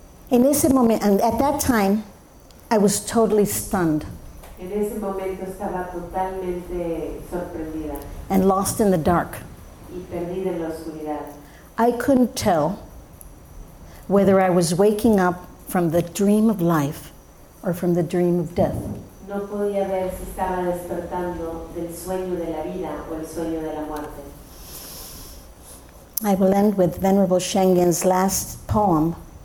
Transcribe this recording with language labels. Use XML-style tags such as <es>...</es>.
<en>In</en> <es>ese momento,</es> <en>and at that time, I was totally stunned.</en> <es>En ese momento estaba totalmente sorprendida.</es> <en>And lost in the dark.</en> <es>Y perdida en la oscuridad.</es> <en>I couldn't tell whether I was waking up from the dream of life or from the dream of death.</en> <es>No podía ver si estaba despertando del sueño de la vida o el sueño de la muerte.</es> <en>I will end with Venerable Shengen's last poem.</en>